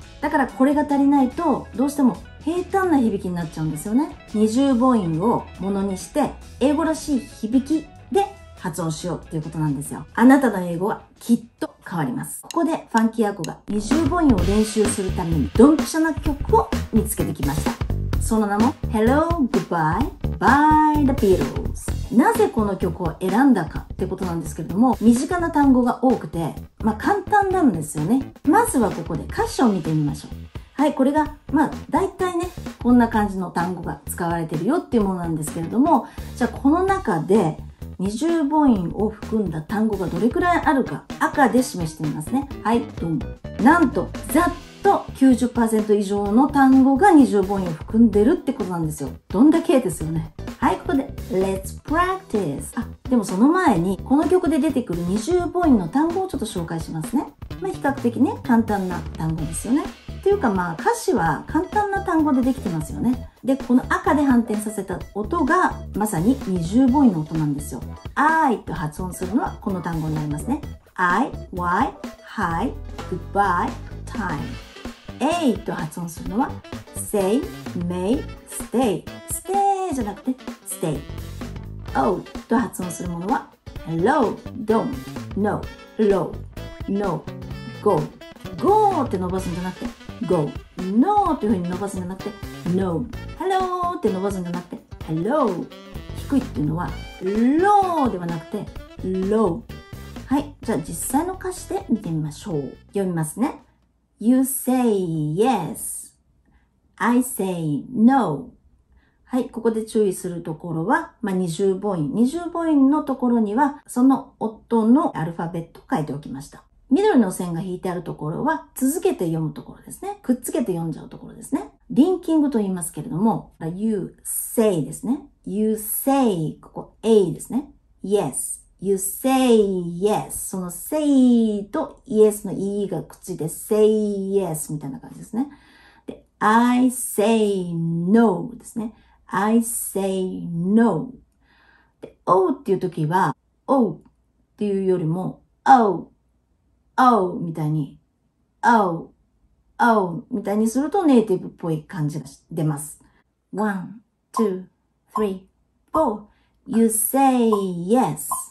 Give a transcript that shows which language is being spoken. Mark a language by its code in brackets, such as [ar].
[ja] だからこれが足りないと、どうしても平坦な響きになっちゃうんですよね。二重母音をものにして、英語らしい響きで発音しようっていうことなんですよ。あなたの英語はきっと変わります。ここでファンキーアコが二重母音を練習するためにドンピシャな曲を見つけてきました。その名も Hello Goodbye by the Beatles。なぜこの曲を選んだかってことなんですけれども、身近な単語が多くて、まあ簡単なんですよね。まずはここで歌詞を見てみましょう。はい、これがまあ大体ね、こんな感じの単語が使われてるよっていうものなんですけれども、じゃあこの中で二重母音を含んだ単語がどれくらいあるか、赤で示してみますね。はい、どん。なんと、ざっと 90% 以上の単語が二重母音を含んでるってことなんですよ。どんだけですよね。はい、ここで、 [en] Let's practice。 [ja] あ、でもその前に、この曲で出てくる二重母音の単語をちょっと紹介しますね。まあ、比較的ね、簡単な単語ですよね。っていうか、まあ歌詞は簡単な単語でできてますよね。で、この赤で反転させた音がまさに二重母音の音なんですよ。 I と発音するのはこの単語になりますね。 [en] I, Y, Hi, Goodbye, Time。 [ja] A と発音するのは Say, May, Stay、 Stay じゃなくて Stay。 [en] O [ja] と発音するものは [en] Hello, Don't, No, Low, No, Go。 [ja] Go って伸ばすんじゃなくて、Go、 No っていう風に伸ばすんじゃなくて No、 Hello って伸ばすんじゃなくて Hello。低いっていうのは Low ではなくて Low。はい、じゃあ実際の歌詞で見てみましょう。読みますね。 [en] You say yes, I say no。 [ja] はい、ここで注意するところは、まあ、二重母音、二重母音のところにはその音のアルファベットを書いておきました。緑の線が引いてあるところは続けて読むところですね。くっつけて読んじゃうところですね。リンキングと言いますけれども、You say ですね。 You say、ここ A ですね。 Yes。 You say yes。その say と yes の E がくっついて say yes みたいな感じですね。で、I say no ですね。 I say no。 O っていう時は、O っていうよりも、O。 Oh みたいに、Oh、Oh みたいにするとネイティブっぽい感じが出ます。 [en] One, two, three, four. You say yes.